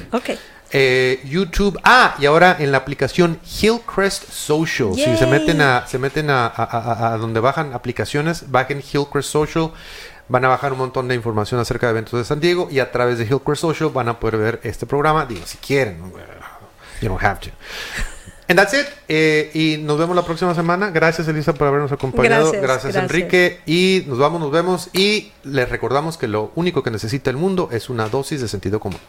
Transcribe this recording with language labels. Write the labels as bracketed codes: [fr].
[es] Ok. YouTube. Y ahora en la aplicación Hillcrest Social. Yay. Si se meten a donde bajan aplicaciones, bajen Hillcrest Social. Van a bajar un montón de información acerca de eventos de San Diego y a través de Hillcrest Social van a poder ver este programa. Digo, si quieren, [en] you don't have to. And that's it. [es] Y nos vemos la próxima semana. Gracias, Elisa, por habernos acompañado. Gracias. Enrique. Y nos vemos. Y les recordamos que lo único que necesita el mundo es una dosis de sentido común.